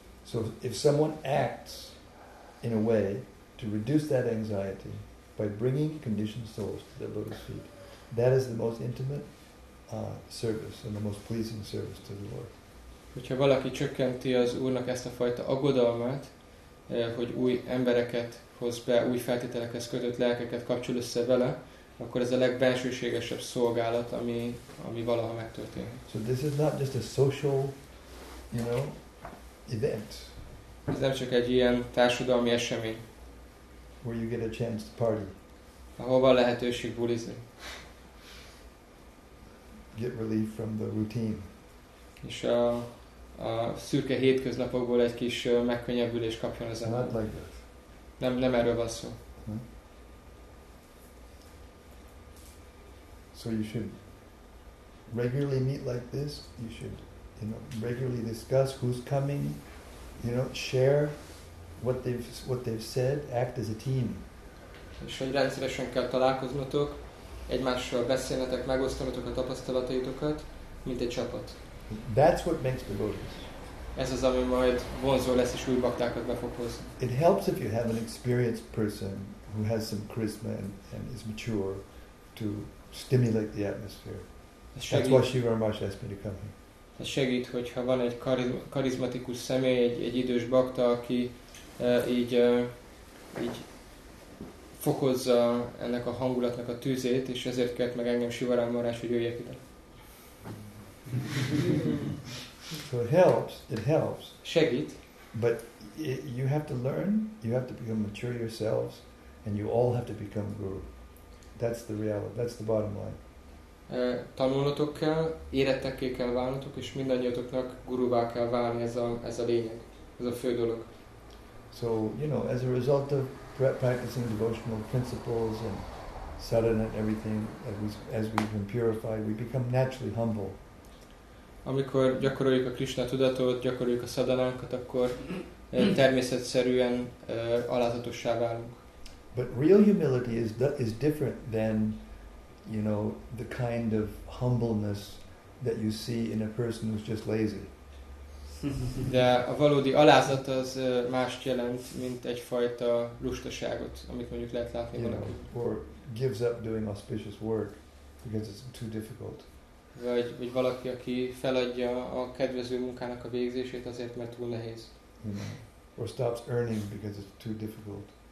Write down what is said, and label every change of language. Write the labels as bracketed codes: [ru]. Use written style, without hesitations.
[en] So if someone acts in a way to reduce that anxiety by bringing conditioned souls to their lotus feet, that is the most intimate service and the most pleasing service to the Lord. [hu] hogyha valaki csökkenti az Úrnak ezt a fajta aggodalmát, hogy új embereket hoz be, új feltételekhez kötött lelkeket kapcsol össze vele, akkor ez a legbensőségesebb szolgálat, ami valaha megtörténik. [en] So this is not just a social, you know, event. [hu] Ez nem csak egy ilyen társadalmi esemény. [en] Where you get a chance to party. [hu] Ahol van lehetőség bulizni. [en] Get relief from the routine. [hu] És a szürke hétköznapokból egy kis megkönnyebbülés kapjon az ember. [en] Not like that. [hu] Nem erről van szó. [en] So you should regularly meet like this. You should, you know, regularly discuss who's coming. You know, share what they've said. Act as a team. [hu] És hogy rendszeresen kell találkoznotok, egymással beszélnetek, megosztanatok a tapasztalataitokat, mint egy csapat. [en] That's what makes devotees. [hu] Ez az, ami majd vonzó lesz és új baktákat be fog hozni. [en] It helps if you have an experienced person who has some charisma and is mature to stimulate the atmosphere. That's why Shiva Ramash asked me to come here. [hu] Ez segít, hogyha van egy karizmatikus személy, egy idős bakta, aki így fokozza ennek a hangulatnak a tűzét, és ezért kelt meg engem Shiva Ramash, hogy jöjjek ide. [en] So it helps. [hu] Segít. [en] But you have to learn, you have to become mature yourselves, and you all have to become guru. That's the reality. That's the bottom line. [hu] Tanulnotok kell, érettekké kell válnotok, és mindannyiatoknak guruvá kell válni, ez a lényeg, ez a fő dolog. [en] So, you know, as a result of practicing devotional principles and sadhana and everything, as we've been purified, we become naturally humble. [hu] Amikor gyakoroljuk a Krishna tudatot, gyakoroljuk a szadalánkat, akkor természetszerűen alázatossá válunk. [en] But real humility is different than, you know, the kind of humbleness that you see in a person who's just lazy. [hu] De a valódi alázat az mást jelent, mint egyfajta lustaságot, amit mondjuk lehet látni valakit. [en] Or gives up doing auspicious work because it's too difficult. [hu] Vagy valaki, aki feladja a kedvező munkának a végzését azért, mert túl nehéz. [en] You know, or stops earning because it's too difficult.